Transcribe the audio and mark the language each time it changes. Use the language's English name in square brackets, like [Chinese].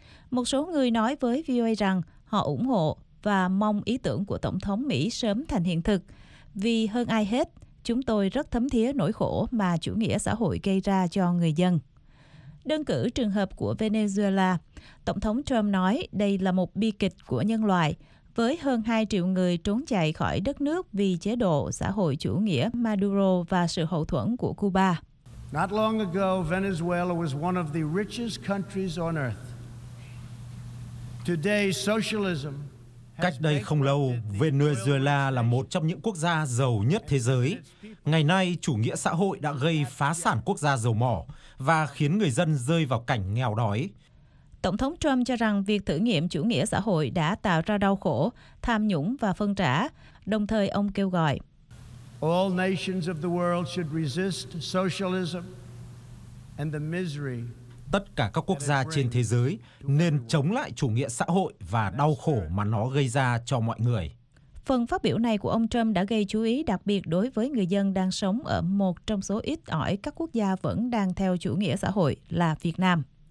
[Vietnamese] Một số người nói với VOA rằng họ ủng hộ và mong ý tưởng của Tổng thống Mỹ sớm thành hiện thực, vì hơn ai hết, chúng tôi rất thấm thía nỗi khổ mà chủ nghĩa xã hội gây ra cho người dân. Đơn cử trường hợp của Venezuela, Tổng thống Trump nói đây là một bi kịch của nhân loại, với hơn 2 triệu người trốn chạy khỏi đất nước vì chế độ xã hội chủ nghĩa Maduro và sự hậu thuẫn của Cuba. [English] Not long ago, Venezuela was one of the richest countries on earth. Today, socialism... [Vietnamese] Cách đây không lâu, Venezuela là một trong những quốc gia giàu nhất thế giới. Ngày nay, chủ nghĩa xã hội đã gây phá sản quốc gia dầu mỏ và khiến người dân rơi vào cảnh nghèo đói. Tổng thống Trump cho rằng việc thử nghiệm chủ nghĩa xã hội đã tạo ra đau khổ, tham nhũng và phân rã. Đồng thời, ông kêu gọi [English] All nations of the world should resist socialism and the misery. [Vietnamese] Tất cả các quốc gia trên thế giới nên chống lại chủ nghĩa xã hội và đau khổ mà nó gây ra cho mọi người. Phần phát biểu này của ông Trump đã gây chú ý đặc biệt đối với người dân đang sống ở một trong số ít ỏi các quốc gia vẫn đang theo chủ nghĩa xã hội là Việt Nam.